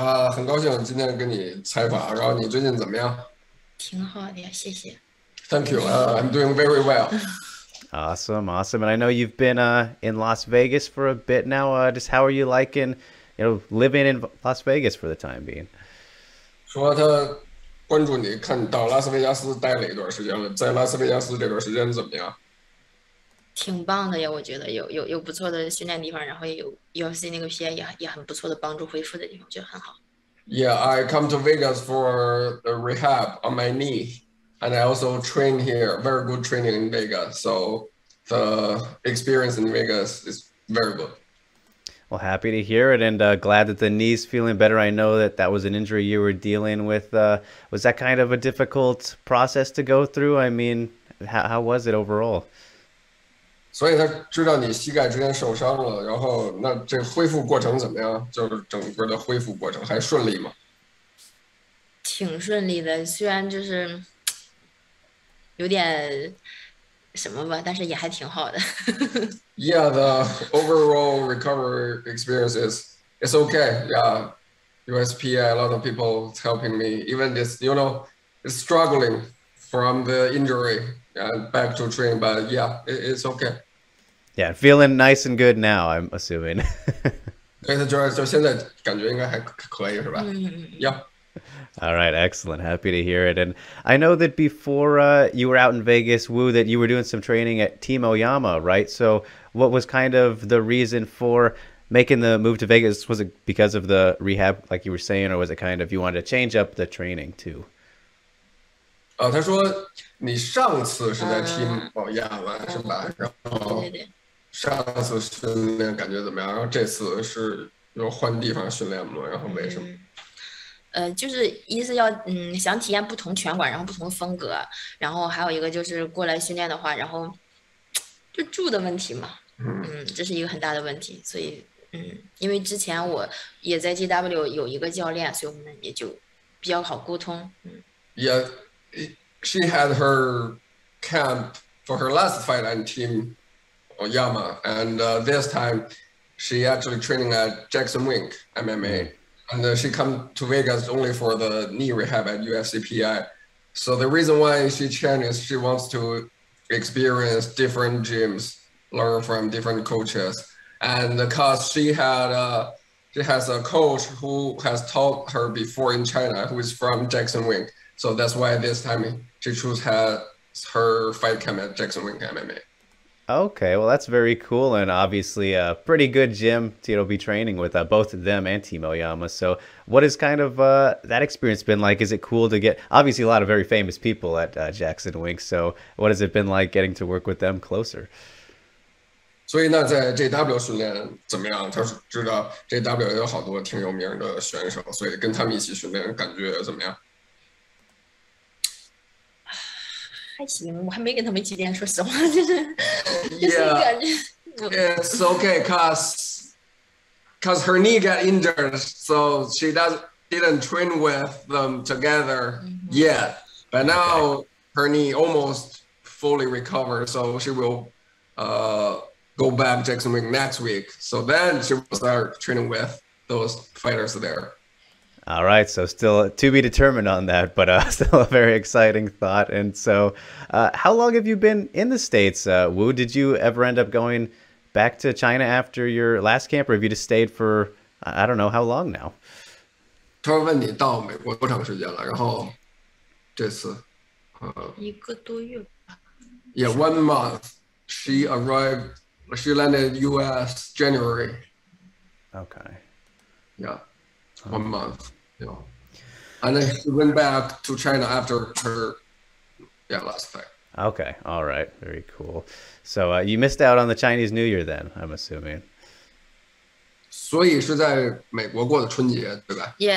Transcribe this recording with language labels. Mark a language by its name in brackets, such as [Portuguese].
[Chinese] 很高兴今天跟你采访，然后你最近怎么样？挺好的呀，谢谢。 [English] Thank you. I'm doing very well. Awesome. And I know you've been in Las Vegas for a bit now. Just how are you liking, living in Las Vegas for the time being? [Chinese] 说他关注你，看你到拉斯维加斯待了一段时间了，在拉斯维加斯这段时间怎么样？挺棒的呀，我觉得有不错的训练地方，然后也有 UFC 那个 PA 也很不错的帮助恢复的地方，就很好。 [English] Yeah, I come to Vegas for the rehab on my knee, and I also train here. Very good training in Vegas, so the experience in Vegas is very good. Well, happy to hear it, and glad that the knee's feeling better. I know that that was an injury you were dealing with. Was that kind of a difficult process to go through? I mean, how was it overall? [Chinese] 所以他知道你膝盖之前受伤了，然后那这恢复过程怎么样？就是整个的恢复过程还顺利吗？挺顺利的，虽然就是有点什么吧，但是也还挺好的。 [English] Yeah, the overall recovery experience is it's okay. Yeah, USPA, a lot of people helping me. Even this, it's struggling from the injury and back to train, but yeah, it's okay. Yeah, feeling nice and good now, I'm assuming. [Chinese] So 现在感觉应该还可以是吧？ [English] All right, excellent. Happy to hear it. And I know that before you were out in Vegas, Wu, that you were doing some training at Team Oyama, right? So what was kind of the reason for making the move to Vegas? Was it because of the rehab, like you were saying, or was it kind of you wanted to change up the training too? [Chinese] 他说你上次是在 Team 保亚了是吧？然后上次训练感觉怎么样？然后这次是又换地方训练吗？然后为什么？就是一是要想体验不同拳馆，然后不同风格，然后还有一个就是过来训练的话，然后就住的问题嘛，这是一个很大的问题，所以因为之前我也在 JW 有一个教练，所以我们也就比较好沟通， [English] She had her camp for her last fight on Team Oyama, and this time she actually training at JacksonWink MMA, and she come to Vegas only for the knee rehab at UFCPI. So the reason why she changed is she wants to experience different gyms, learn from different coaches, and because she has a coach who has taught her before in China, who is from JacksonWink. So that's why this time she chose her fight camp at JacksonWink MMA. Okay, well, that's very cool, and obviously a pretty good gym to be training with both of them and Team Oyama. So, what has kind of that experience been like? Is it cool to get obviously a lot of very famous people at JacksonWink? So, what has it been like getting to work with them closer? [Chinese] 所以呢，在 JW 训练怎么样？他是知道 JW 有好多挺有名的选手，所以跟他们一起训练，感觉怎么样？还行，我还没跟他们一起练，说实话，就是感 [English] Yeah, [Chinese] 觉， [English] it's okay, cause her knee got injured, so she didn't train with them together yet. But Okay. now her knee almost fully recovered, so she will go back JacksonWink next week. So then she will start training with those fighters there. All right, so still to be determined on that, but still a very exciting thought. And so, how long have you been in the States, Wu? Did you ever end up going back to China after your last camp, or have you just stayed for I don't know how long now? [Chinese] 他问你到美国多长时间了？然后这次， 1个多月吧， [English] yeah, [Chinese] 差不 [English] one [Chinese] 多。 [English] month. She arrived. She landed U.S. January. Yeah, one month. And then she went back to China after her, last fight. Okay, all right, very cool. So you missed out on the Chinese New Year then, I'm assuming. [Chinese] 所以是在美国过的春节，对吧？